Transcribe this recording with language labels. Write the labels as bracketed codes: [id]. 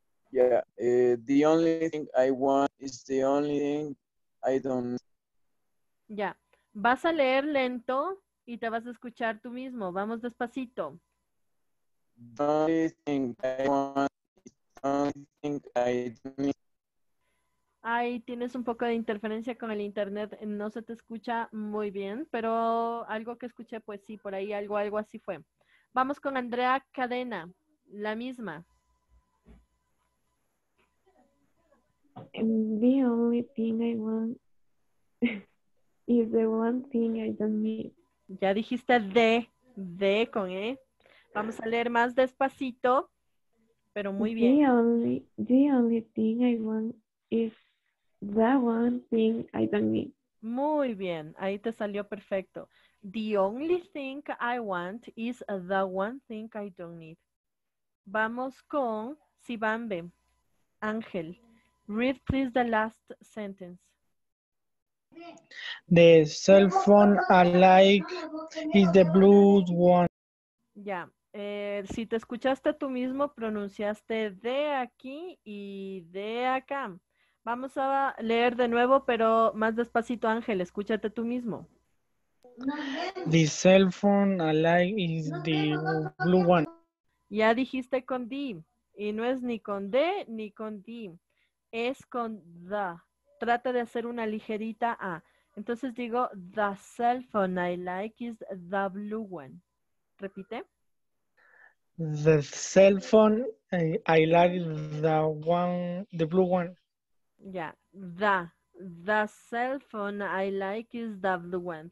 [en] Yeah, the only thing I want is the only thing I don't. [es] Ya, vas a leer lento y te vas a escuchar tú mismo. Vamos despacito. [en] The only thing I want is the only thing I don't. [es] Ay, tienes un poco de interferencia con el internet. No se te escucha muy bien, pero algo que escuché, pues sí, por ahí algo así fue. Vamos con Andrea Cadena, la misma. [en] The only thing I want is the one thing I don't need. [es] Ya dijiste de con E. Vamos a leer más despacito, pero muy bien. [en] The only thing I want is the one thing I don't need. [es] Muy bien, ahí te salió perfecto. [en] The only thing I want is the one thing I don't need. [es] Vamos con Sibambe, Ángel. [en] Read, please, the last sentence. The cell phone I like is the blue one. [es] Ya, si te escuchaste tú mismo, pronunciaste de aquí y de acá. Vamos a leer de nuevo, pero más despacito, Ángel, escúchate tú mismo. [en] The cell phone I like is the blue one. [es] Ya dijiste con D, y no es ni con D ni con D. Es con the. Trata de hacer una ligerita A. Entonces digo, [en] the cell phone I like is the blue one. [es] Repite. [en] The cell phone I like the blue one. Yeah. The cell phone I like is the blue one.